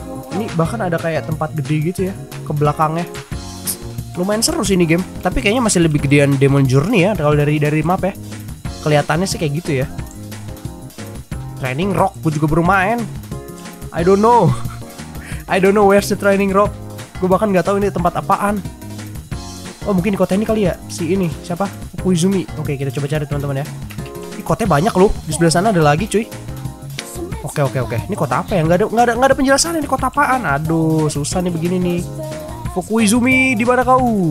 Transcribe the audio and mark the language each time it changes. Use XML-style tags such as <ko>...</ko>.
<id>Ini bahkan ada kayak tempat gede gitu ya ke belakangnya. Lumayan seru sih ini game, tapi kayaknya masih lebih gedean Demon Journey ya kalau dari map ya. Kelihatannya sih kayak gitu ya. Training Rock gua juga baru main.</id> <en>I don't know where's the Training Rock.</en> <id>Gua bahkan enggak tahu ini tempat apaan. Oh, mungkin di kota ini kali ya. Si ini siapa? Fukuizumi. Oke, kita coba cari, teman-teman ya. Ini kotanya banyak loh. Di sebelah sana ada lagi, cuy. Oke. Ini kota apa ya? Enggak ada penjelasan ini kota apaan. Aduh, susah nih begini nih. Fukuizumi, di mana kau?</id>